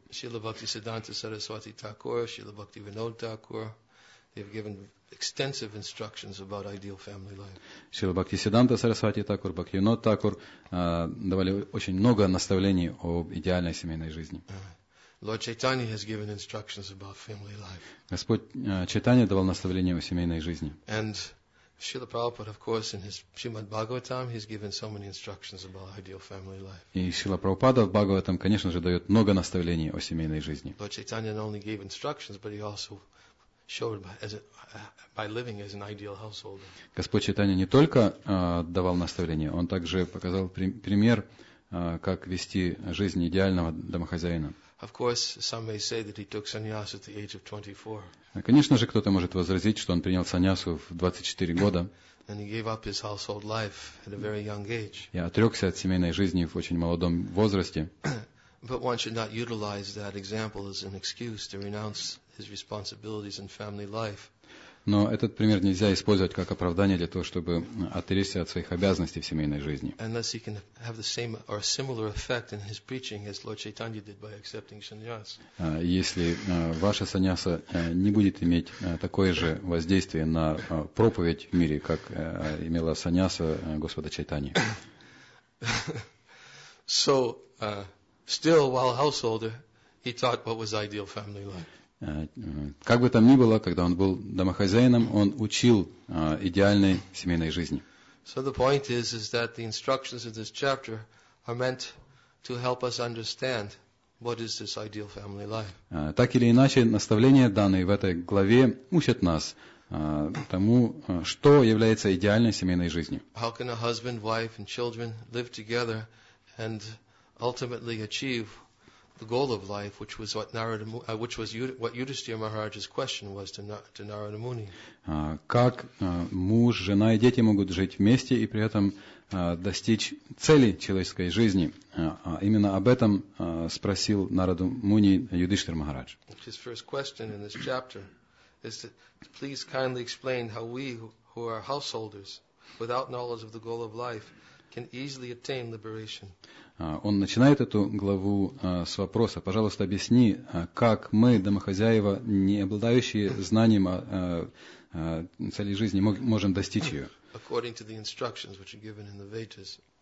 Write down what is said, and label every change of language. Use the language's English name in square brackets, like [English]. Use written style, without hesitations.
[English] Шрила Бхакти Сиддханта Сарасвати Такур, Шрила Бхакти Винод Такур, they have given extensive instructions about ideal family life. [Russian] Шрила Бхакти Сиддханта Сарасвати Такур, Бхакти Винод Такур давали очень много наставлений об идеальной семейной жизни. [English] Lord Chaitanya has given instructions about family life. [Russian] Господь Чайтанья давал наставления о семейной жизни. [English] And Srila Prabhupada, of course, in his Srimad Bhagavatam, he's given so many instructions about ideal family life. [Russian] И Шрила Прабхупада в Бхагаватам, конечно же, дает много наставлений о семейной жизни. [English] Lord Chaitanya not only gave instructions, but he also showed by living as an ideal householder. [Russian] Господь Чайтанья не только давал наставления, он также показал пример, как вести жизнь идеального домохозяина. [English] Of course, some may say that he took sannyas at the age of 24. [Russian] Конечно же, кто-то может возразить, что он принял саньясу в 24 года. [English] And he gave up his household life at a very young age. [Russian] Я отрёкся от семейной жизни в очень молодом возрасте. [English] But one should not utilize that example as an excuse to renounce his responsibilities and family life. [Russian] Но этот пример нельзя использовать как оправдание для того, чтобы отречься от своих обязанностей в семейной жизни. [English] Unless he can have the same or similar effect in his preaching as Lord Chaitanya did by accepting sannyas. [Russian] Если ваша саньяса не будет иметь такое же воздействие на проповедь в мире, как имела саньяса Господа Чайтани. [English] So, still while householder, he taught what was ideal family life. [Russian] Как бы там ни было, когда он был домохозяином, он учил идеальной семейной жизни. [English] So the point is that the instructions of this chapter are meant to help us understand what is this ideal family life. [Russian] Так или иначе, наставления, данные в этой главе, учат нас тому, что является идеальной семейной жизнью. [English] How can a husband, wife and children live together and ultimately achieve the goal of life, which was what Narada, which was what Yudhishthira Maharaj's question was to Narada Muni. [Russian] Как муж, жена и дети могут жить вместе и при этом достичь цели человеческой жизни? Именно об этом спросил Нараду Муни Юдиштхир Махарадж. [English] His first question in this chapter is to please kindly explain how we who are householders without knowledge of the goal of life can easily attain liberation. [Russian] Он начинает эту главу с вопроса: пожалуйста, объясни, как мы, домохозяева, не обладающие знанием о цели жизни, можем достичь ее. [English] According to the instructions which are given in the Vedas.